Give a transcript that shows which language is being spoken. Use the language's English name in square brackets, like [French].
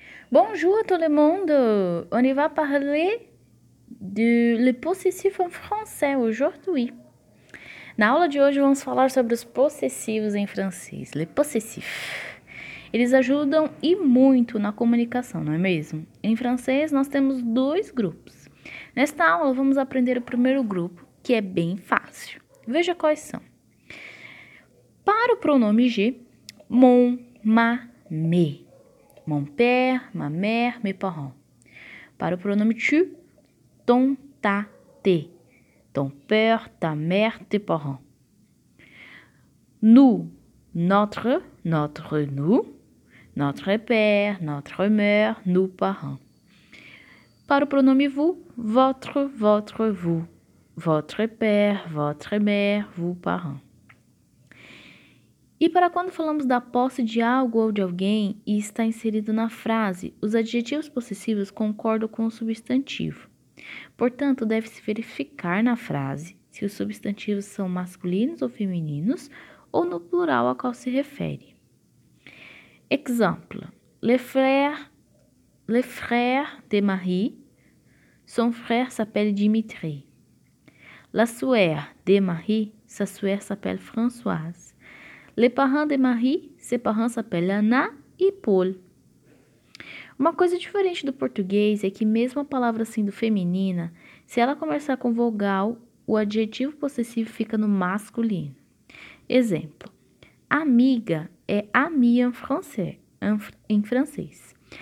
[French] Bonjour tout le monde, on va parler du possessif en français aujourd'hui. [Portuguese] Na aula de hoje, vamos falar sobre os possessivos em francês. [French] Le possessif. [Portuguese] Eles ajudam e muito na comunicação, não é mesmo? Em francês, nós temos dois grupos. Nesta aula, vamos aprender o primeiro grupo, que é bem fácil. Veja quais são. Para o pronome je, mon, ma, me. [French] Mon père, ma mère, mes parents. [Portuguese] Para o pronome [French] tu, ton, ta, te. Ton père, ta mère, tes parents. Nous, notre, notre nous. Notre père, notre mère, nos parents. [Portuguese] Para o pronome [French] vous, votre, votre vous. Votre père, votre mère, vos parents. [Portuguese] E para quando falamos da posse de algo ou de alguém e está inserido na frase, os adjetivos possessivos concordam com o substantivo. Portanto, deve-se verificar na frase se os substantivos são masculinos ou femininos ou no plural a qual se refere. [French] Exemplo: le frère de Marie, son frère s'appelle Dimitri. La sœur de Marie, sa sœur s'appelle Françoise. Les parents de Marie, ses parents s'appellent Anna e Paul. [Portuguese] Uma coisa diferente do português é que, mesmo a palavra sendo feminina, se ela começar com vogal, o adjetivo possessivo fica no masculino. Exemplo: amiga é ami [French] en français, [Portuguese] em francês.